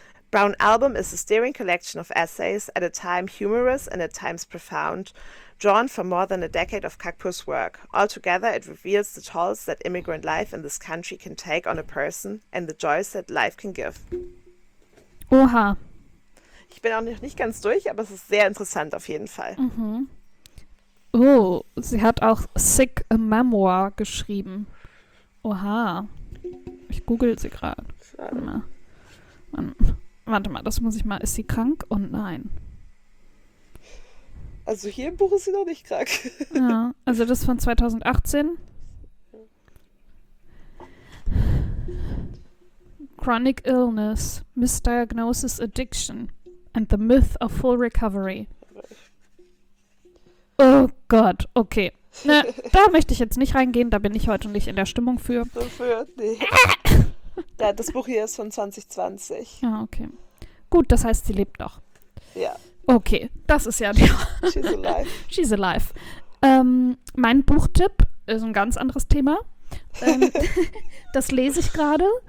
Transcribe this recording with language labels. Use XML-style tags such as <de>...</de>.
<en>Brown Album is a stirring collection of essays, at a time humorous and at times profound, drawn from more than a decade of Kakpur's work. Altogether, it reveals the tolls that immigrant life in this country can take on a person and the joys that life can give. Oha.</en> <de>Ich bin auch noch nicht ganz durch, aber es ist sehr interessant auf jeden Fall. Mhm. Oh, sie hat auch Sick a Memoir geschrieben. Oha. Ich google sie gerade. Warte mal, das muss ich mal. Ist sie krank? Und oh, nein. Also hier im Buch ist sie noch nicht krank. Ja, also das von 2018.</de> <en>Chronic illness, misdiagnosis, addiction and the myth of full recovery.</en> <de>Oh Gott, okay. Ne, da möchte ich jetzt nicht reingehen, da bin ich heute nicht in der Stimmung für. Dafür, nee. Ja, das Buch hier ist von 2020. Ja, okay. Gut, das heißt, sie lebt doch. Ja. Okay, das ist ja die.</de> <en>She's alive.</en> <de>Mein Buchtipp ist ein ganz anderes Thema. Das lese ich gerade.</de>